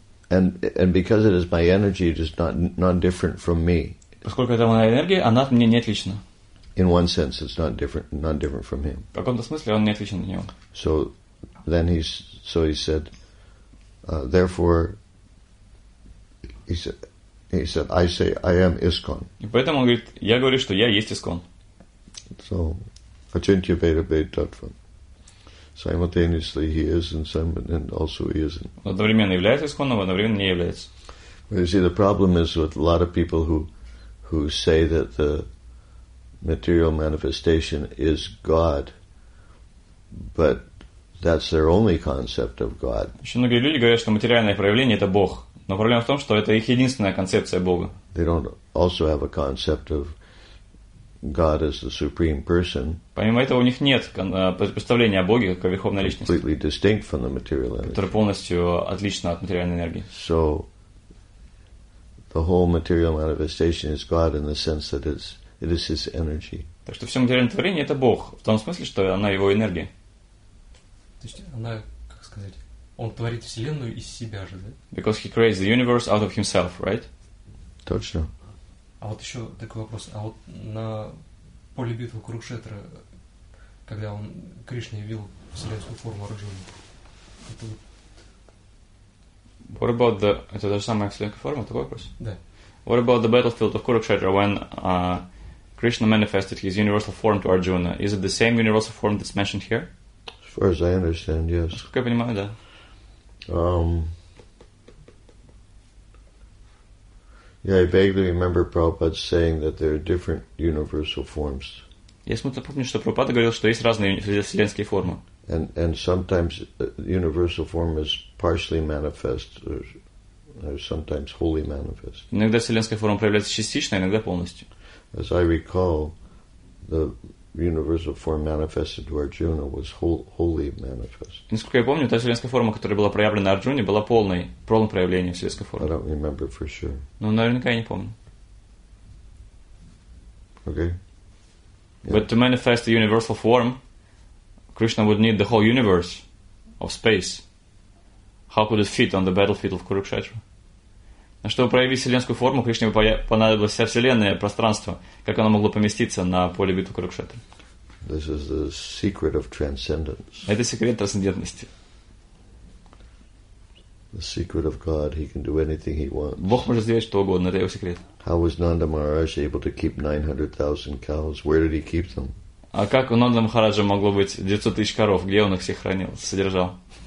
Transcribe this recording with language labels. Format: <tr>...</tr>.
<en>And because it is my energy, it is not different from me.</en> <ru>Поскольку это моя энергия, она от меня не отлична.</ru> <en>In one sense, it's not different from him.</en> <ru>В каком-то смысле он не отличен от него.</ru> <en>So he said. Therefore, he said, I say I am ISKCON.</en> <ru>И поэтому он говорит, я говорю, что я есть ISKCON.</ru> <en>So, Acintya Veda Bhedtattva. Simultaneously, he is, and also he isn't.</en> <ru>Одновременно является ISKCON, одновременно не является.</ru> <en>But you see, the problem is with a lot of people who say that the material manifestation is God, but that's their only concept of God.</en> <ru>Еще многие люди говорят, что материальное проявление это Бог, но проблема в том, что это их единственная концепция Бога.</ru> <en>They don't also have a concept of God as the supreme person.</en> <ru>Помимо этого, у них нет представления о Боге как о верховной личности.</ru> <en>Completely distinct from the material energy.</en> <ru>Которая полностью отлична от материальной энергии.</ru> <en>So the whole material manifestation is God in the sense that it is his energy.</en> <ru>Так что все материальное творение это Бог в том смысле, что она его энергия. То есть она, как сказать, он творит вселенную из себя же, да?</ru> <en>Because he creates the universe out of himself, right?</en> <ru>Точно. А вот еще такой вопрос. А вот на поле битвы Курукшетра, когда он Кришна явил вселенскую форму Арджуны, это вот...</ru> <en>What about the...</en> <ru>Это та же самая вселенская форма? Такой вопрос? Да.</ru> <en>What about the battlefield of Kurukshetra when Krishna manifested his universal form to Arjuna? Is it the same universal form that's mentioned here? As far as I understand, yes.</en> <ru>Насколько я понимаю, да.</ru> <en>Yeah, I vaguely remember Prabhupada saying that there are different universal forms.</en> <ru>Я смутно помню, что Прабхупада говорил, что есть разные вселенские формы.</ru> <en>And sometimes universal form is partially manifest, or sometimes wholly manifest.</en> <ru>Иногда вселенская форма проявляется частично, иногда полностью.</ru> <en>As I recall, the universal form manifested to Arjuna was wholly manifest.</en> <ru>Насколько я помню, та вселенская форма, которая была проявлена Арджуне, была полным проявлением вселенской формы.</ru> <en>I don't remember for sure.</en> <ru>Ну, наверняка я не помню.</ru> <en>Okay. Yeah. But to manifest the universal form, Krishna would need the whole universe of space. How could it fit on the battlefield of Kurukshetra?</en> <ru>А чтобы проявить вселенскую форму, Кришне понадобилось вся вселенная, пространство, как оно могло поместиться на поле битвы Курукшетры.</ru> <en>This is the secret of transcendence.</en> <ru>Это секрет трансцендентности.</ru> <en>The secret of God, he can do anything he wants.</en> <ru>Бог может сделать что угодно, это его секрет.</ru> <en>How was Nanda Maharaj able to keep 900,000 cows? Where did he keep them?</en> <ru>А как у Нанда Махараджа могло быть 900 тысяч коров? Где он их всех хранил, содержал?</ru>